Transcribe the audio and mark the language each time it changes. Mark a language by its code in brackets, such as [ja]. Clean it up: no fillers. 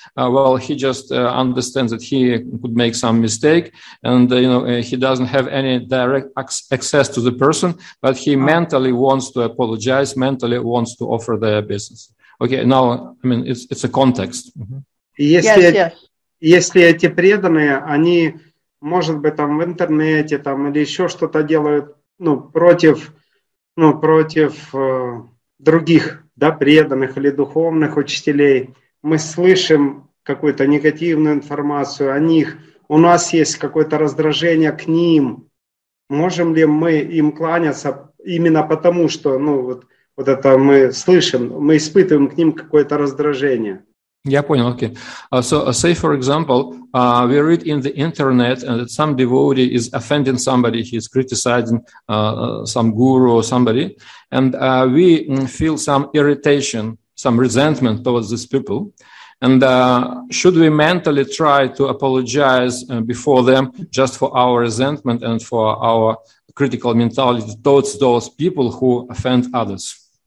[en] Well, he just understands that he could make some mistake, and you know, he doesn't have any direct access to the person, but he mentally wants to apologize, mentally wants to offer their business. Okay, now, I mean, it's a context. Mm-hmm. [ru] Если эти преданные, они, может быть, там в интернете там, или еще что-то делают, против других, да, преданных или духовных учителей, мы слышим какую-то негативную информацию о них, у нас есть какое-то раздражение к ним, можем ли мы им кланяться именно потому, что, вот это мы слышим, мы испытываем к ним какое-то раздражение. Я понял, окей. [en] So, say, for example, we read in the internet that some devotee is offending somebody, he's criticizing some guru or somebody, and we feel some irritation, some resentment towards these people. And should we mentally try to apologize before them just for our resentment and for our critical mentality towards those people who offend others?